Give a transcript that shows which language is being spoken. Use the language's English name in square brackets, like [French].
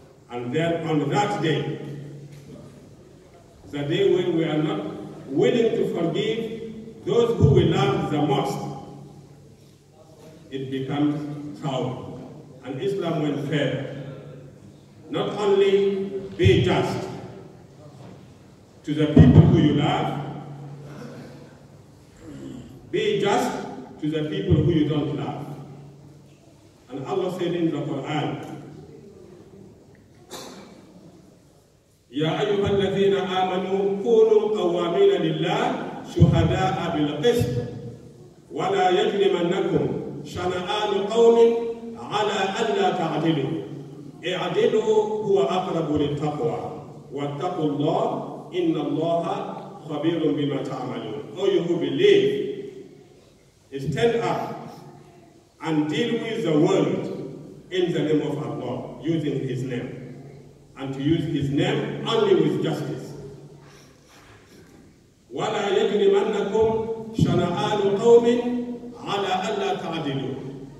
[English] And then on that day, the day when we are not willing to forgive those who we love the most, it becomes trouble. And Islam will fail. Not only be just to the people who you love, be just to the people who you don't love. [Arabic] And Allah said in the Quran, يَا أَيُّهَا الَّذِينَ آمَنُوا كُونُوا قَوَّامِينَ لِلَّهِ شُهَدَاءَ بِالْقِسْطِ وَلَا يَجْرِمَنَّكُمْ شَنَآنُ قَوْمٍ عَلَىٰ أَلَّا تَعْدِلُوا اِعْدِلُوا هُوَ أَقْرَبُ لِلتَّقْوَى وَاتَّقُوا اللَّهَ إِنَّ اللَّهَ خَبِيرٌ بِمَا تَعْمَلُونَ. [English] Oh, you who believe, stand up and deal with the world in the name of Allah, using His name. And to use His name only with justice. [Arabic] وَلَا يَجْرِمَنَّكُمْ شَنَآنُ قَوْمٍ ala alla ta'adilu.